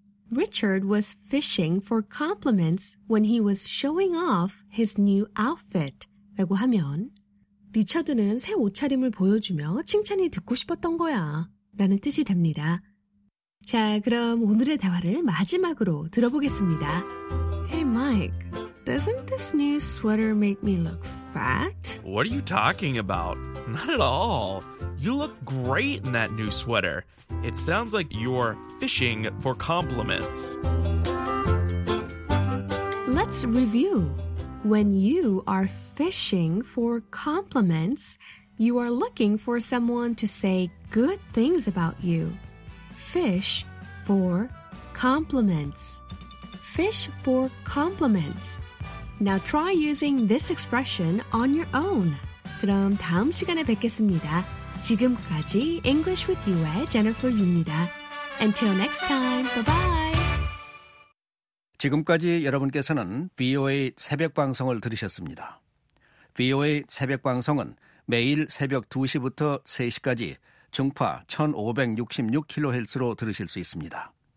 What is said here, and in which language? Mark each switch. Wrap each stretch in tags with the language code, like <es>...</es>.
<en>Richard was fishing for compliments when he was showing off his new outfit.</en> <ko>라고 하면 리처드는 새 옷차림을 보여주며 칭찬이 듣고 싶었던 거야 라는 뜻이 됩니다. 자, 그럼 오늘의 대화를 마지막으로 들어보겠습니다.</ko> <en>Hey Mike, doesn't this new sweater make me look fat? What are you talking about? Not at all. You look great in that new sweater. It sounds like you're fishing for compliments. Let's review. When you are fishing for compliments, you are looking for someone to say good things about you. Fish for compliments. Fish for compliments. Now try using this expression on your own.</en> <ko>그럼 다음 시간에 뵙겠습니다. 지금까지 English with You의 Jennifer Yu입니다.</ko> <en>Until next time, bye-bye.</en> <ko>지금까지 여러분께서는 VOA 새벽방송을 들으셨습니다. VOA 새벽방송은 매일 새벽 2시부터 3시까지 중파 1566kHz로 들으실 수 있습니다.</ko>